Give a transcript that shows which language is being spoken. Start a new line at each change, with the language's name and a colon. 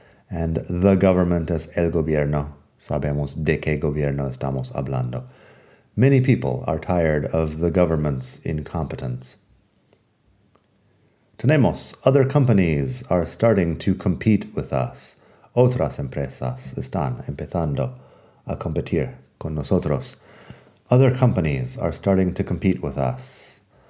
English: And the government
Spanish: es el gobierno. Sabemos de qué gobierno estamos hablando.
English: Many people are tired of the government's incompetence.
Spanish: Tenemos,
English: other companies are starting to compete with us.
Spanish: Otras empresas están empezando a competir con nosotros.
English: Other companies are starting to compete with us.